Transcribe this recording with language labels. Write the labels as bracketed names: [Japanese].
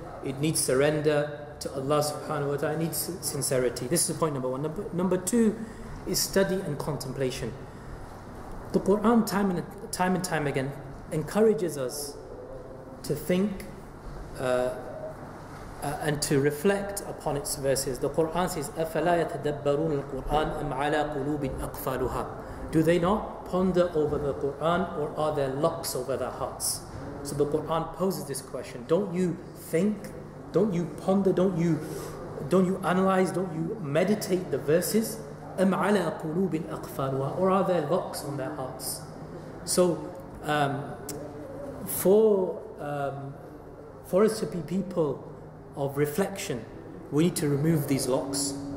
[English] It needs surrender to Allah subhanahu wa ta'ala. It needs sincerity. This is point number one. Number two is study and contemplation. The Quran time and time again encourages us to think and to reflect upon its verses. [Arabic] The Quran says, أَفَلَا يَتَدَبَّرُونَ الْقُرْآنَ أَمْ عَلَىٰ قُلُوبٍ أَقْفَالُهَا. [English] Do they not ponder over the Quran, or are there locks over their hearts? So the Quran poses this question. Don't you think? Don't you ponder? Don't you analyze? Don't you meditate the verses? [Arabic] أَمْ عَلَىٰ قُلُوبٍ أَقْفَالُهَا. [English] Or are there locks on their hearts? So for us to be people of reflection, we need to remove these locks.